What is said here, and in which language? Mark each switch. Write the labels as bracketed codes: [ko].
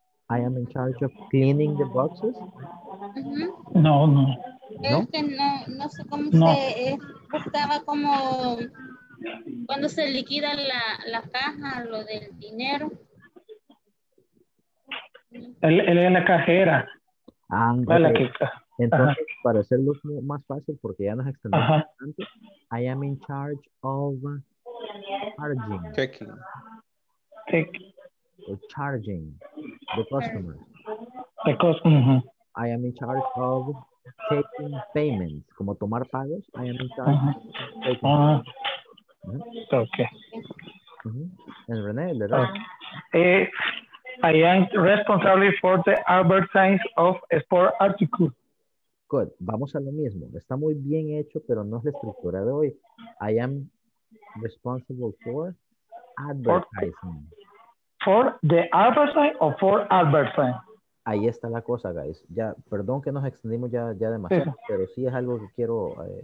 [en] I am in charge of cleaning the boxes? Mm-hmm. [es] No, no. No? Buscaba como cuando se liquida la caja, lo del dinero. Él es la cajera. Ah, okay. La que, entonces, uh-huh. Para hacerlo más fácil, porque ya nos extendemos bastante, uh-huh. [en] I am in charge of charging. Charging the customers. The customer. Uh-huh. I am in charge of taking payments. [es] Como tomar pagos. [en] I am in charge uh-huh. of taking payments. Uh-huh. Okay. Uh-huh. And René, the dog. I am responsible for the advertising of sport articles. [es] Good. Vamos a lo mismo. Está muy bien hecho, pero no es la estructura de hoy. [en] I am responsible for advertising. For advertising. [es] Ahí está la cosa, guys. Ya, perdón que nos extendimos ya demasiado, sí. Pero sí es algo que quiero